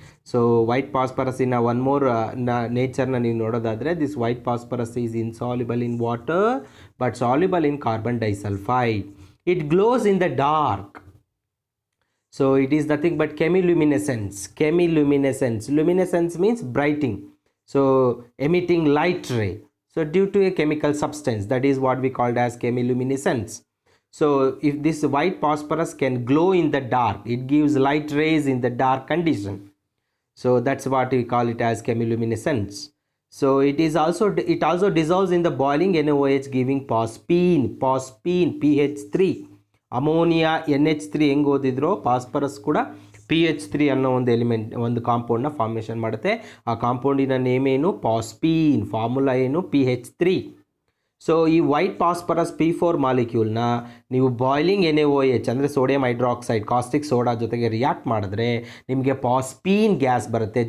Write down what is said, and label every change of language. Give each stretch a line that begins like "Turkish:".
English: so white ಫಾಸ್ಫರಸ್ಸಿನ one more ನೇಚರ್ನ
Kannada: ನೀವು ನೋಡೋದಾದರೆ,
English: This white phosphorus is insoluble in water but soluble in carbon disulphide. It glows in the dark. So it is nothing but chemiluminescence. Chemiluminescence luminescence means brighting. So emitting light ray. So due to a chemical substance, that is what we called as chemiluminescence. So if this white phosphorus can glow in the dark, it gives light rays in the dark condition. So that's what we call it as chemiluminescence. So it also dissolves in the boiling NaOH giving phosphine pH3.
Kannada: Ammonia NH3 ಹೆಂಗ್ ಓದಿದ್ರೋ phosphorus ಕೂಡ PH3 ಅನ್ನೋ ಒಂದು element ಒಂದು ಕಾಂಪೌಂಡ್ನ formation ಮಾಡುತ್ತೆ. ಆ ಕಾಂಪೌಂಡಿನ name ಏನು? ಫಾಸ್ಪೀನ್. Formula ಏನು? PH3. So ಈ ವೈಟ್ ಫಾಸ್ಫರಸ್ P4 ಮಾಲಿಕ್ಯೂಲ್ನ ನೀವು ಬಾಯ್ಲಿಂಗ್ NaOH ಅಂದರೆ ಸೋಡಿಯಂ ಹೈಡ್ರಾಕ್ಸೈಡ್ ಕಾಸ್ಟಿಕ್ ಸೋಡಾ ಜೊತೆಗೆ ರಿಯಾಕ್ಟ್ ಮಾಡಿದ್ರೆ ನಿಮಗೆ ಫಾಸ್ಪೀನ್ ಗ್ಯಾಸ್ ಬರುತ್ತೆ.